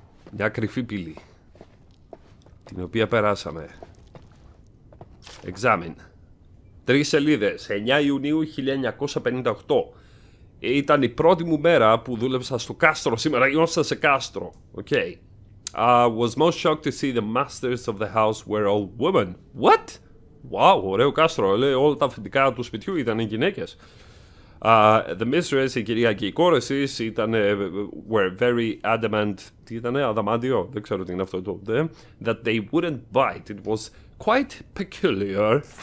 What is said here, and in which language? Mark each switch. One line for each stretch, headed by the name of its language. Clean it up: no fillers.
Greek: Μια κρυφή πύλη. Την οποία περάσαμε. Examine. Τρεις σελίδες. 9 Ιουνίου 1958. Ήταν η πρώτη μου μέρα που δούλεψα στο κάστρο σήμερα. Ήμασταν σε κάστρο. Οκ. Okay.
English: Was most shocked to see the masters of the house were all women. What?
Greek: Wow, ωραίο κάστρο. Λέει, όλα τα αφεντικά του σπιτιού ήταν γυναίκες.
English: The mistress,
Greek: η κυρία και οι κόρες της, ήταν,
English: were very adamant,
Greek: τι ήτανε, αδαμάντιο, δεν ξέρω τι είναι αυτό το,
English: that they wouldn't bite, it was quite peculiar.